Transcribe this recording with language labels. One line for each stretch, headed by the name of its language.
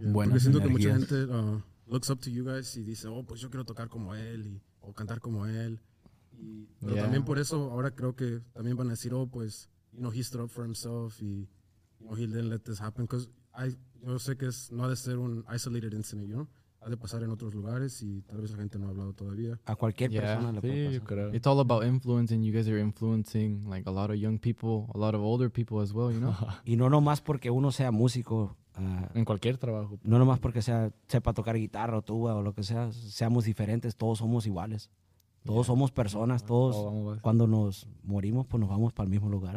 Spanish: Bueno, siento que mucha gente
English: looks up to you guys
Spanish: y dice, oh, pues yo quiero tocar como él y, o cantar como él. Y, pero también por eso ahora creo que también van a decir, oh, pues,
English: you know, he stood up for himself
Spanish: y,
English: you know, he didn't let this happen. Because
Spanish: yo sé que no ha de ser un
English: isolated incident, you know.
Spanish: Ha de pasar en otros lugares y tal vez la gente no ha hablado todavía. A cualquier persona le puede pasar.
English: It's all about influence and you guys are influencing like a lot of young people, a lot of older people as well, you know.
Spanish: Y no nomás porque uno sea músico. En cualquier trabajo. No nomás porque sepa tocar guitarra o tuba o lo que sea. Seamos diferentes, todos somos iguales. Todos somos personas, todos. Cuando nos morimos, pues nos vamos para el mismo lugar.